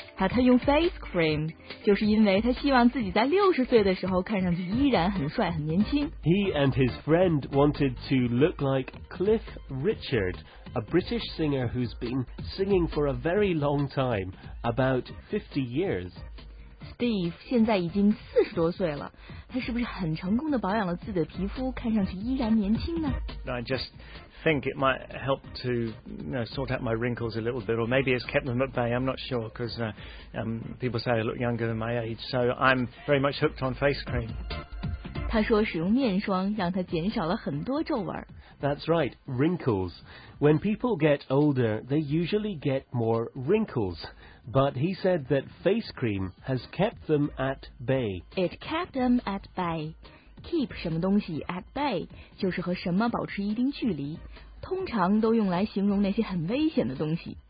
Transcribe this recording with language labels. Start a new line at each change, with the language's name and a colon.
Chinese: 他用 face cream, 就是因为他希望自己在 60岁的时候 看上去依然很帅,很年轻。
English: He and his friend wanted to look like Cliff Richard, a British singer who's been singing for a very long time, about 50 years.
Chinese: Steve 现在已经四十多岁了，他是不是很成功地保养了自己的皮肤，看上去依然年轻呢
English: ？I just think it might help to sort out my wrinkles a little bit, or maybe it's kept them at bay. I'm not sure because people say I look younger than my age, so I'm very much hooked on face cream.
Chinese: 他说使用面霜让他减少了很多皱纹。
English: That's right, wrinkles. When people get older, they usually get more wrinkles. But he said that face cream has kept them at bay. It kept them at bay. Keep
Chinese: 什么东西
English: at bay
Chinese: 就是和什么保持一定距离，通常都用来形容那些很危险的东西。